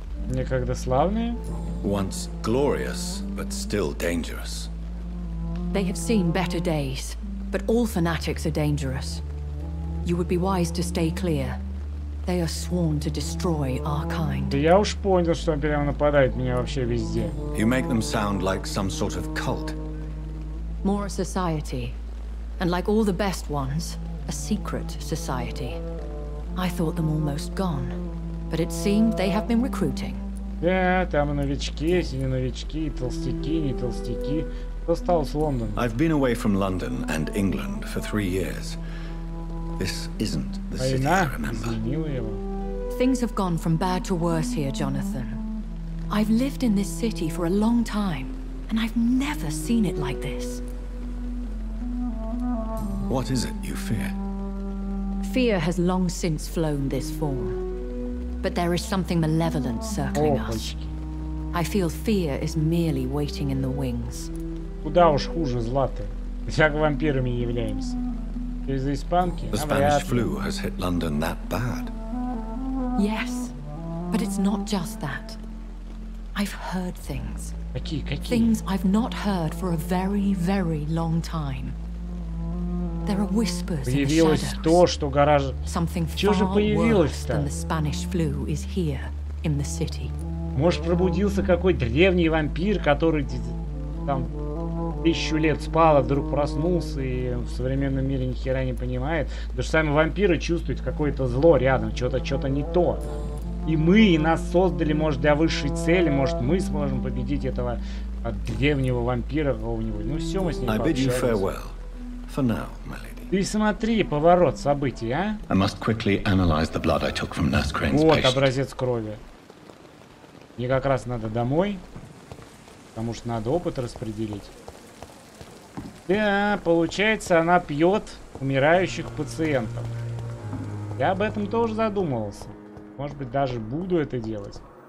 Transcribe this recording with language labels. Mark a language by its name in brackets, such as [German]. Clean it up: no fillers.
[Russian] Некогда славные? [English] Once glorious, but still dangerous. They have seen better days, but all fanatics are dangerous. You would be wise to stay clear. They are sworn to destroy our kind. [Russian] Да я уж понял, что он прямо нападает меня вообще везде. [English] You make them sound like some sort of cult. More a society, and like all the best ones, a secret society. I thought them almost gone, but it seemed they have been recruiting. Yeah, [Russian] там новички, синие новички, толстяки, не толстяки. Кто стал с Лондоном? [English] I've been away from London and England for 3 years. This isn't the city I remember. Things have gone from bad to worse here, Jonathan. I've lived in this city for a long time, and I've never seen it like this. What is it you fear? Fear has long since flown this form. But there is something malevolent circling us. I feel fear is merely waiting in the wings. [Russian] Куда уж хуже зла-то? Как вампирами являемся. Из-за испанки? [English] The Spanish flu has hit London that bad. Yes, but it's not just that. I've heard things. [Russian] Какие? [English] Things I've not heard for a very, very long time. There are whispers in the shadows. [Russian] То, гораж... [English] Something far worse than the Spanish flu is here in the city. [Russian] Может, пробудился какой-то древний вампир, который там тысячу лет спал, а вдруг проснулся и в современном мире ни хера не понимает. Даже сами вампиры чувствуют какое-то зло рядом, что-то не то. И мы, и нас создали, может, для высшей цели, может, мы сможем победить этого древнего вампира какого-нибудь. Ну все, мы с ним пообщаемся. [English] For now, my lady. [Russian] Ты смотри, поворот событий, а? [English] I must quickly analyze the blood I took from Nurse Crane's patient. [Russian] Вот образец крови. Мне как раз надо домой, потому что надо опыт распределить. Да, получается, она пьет умирающих пациентов. Я об этом тоже задумывался. Может быть, даже буду это делать.